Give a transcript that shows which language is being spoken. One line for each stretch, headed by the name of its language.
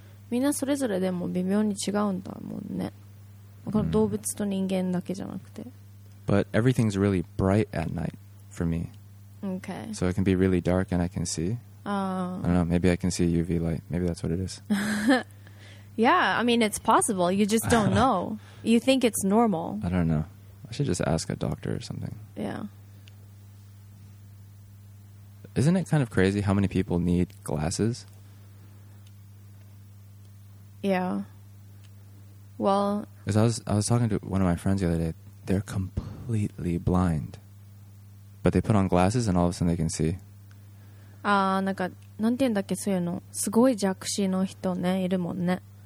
Japanese: みんなそれぞれでも微妙に違うんだもんね。この動物と人間だけじゃなくて。
English: But everything's really bright at night. For me. Okay. So it can be really dark and I can see. Oh. I don't know. Maybe I can see UV light. Maybe that's what it is. Yeah, I mean, it's possible. You just don't know. You think it's normal. I don't know. I should just ask a doctor or something. Yeah. Isn't it kind of crazy how many people need glasses? Yeah. Well, because I was talking to one of my friends the other day. They're completely blind, but they put on glasses and all of a sudden they can see.
Japanese: なんて言うんだっけ、そういうのすごい弱視の人ね、いるもんね。